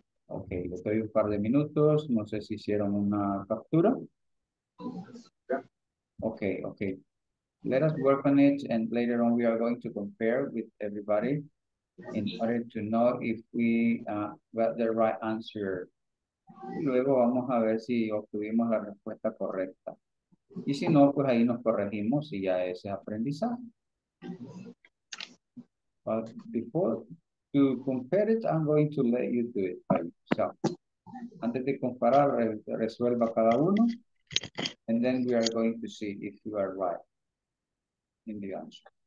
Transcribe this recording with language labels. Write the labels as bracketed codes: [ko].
[es] Okay, le doy un par de minutos. No sé si hicieron una captura. [en] Okay, okay. Let us work on it, and later on we are going to compare with everybody in order to know if we got the right answer. [es] Luego vamos a ver si obtuvimos la respuesta correcta. Y si no, pues ahí nos corregimos y ya ese aprendizaje. [en] But before to compare it, I'm going to let you do it by yourself. [es] Antes de comparar, resuelva cada uno, [en] and then we are going to see if you are right in the answer.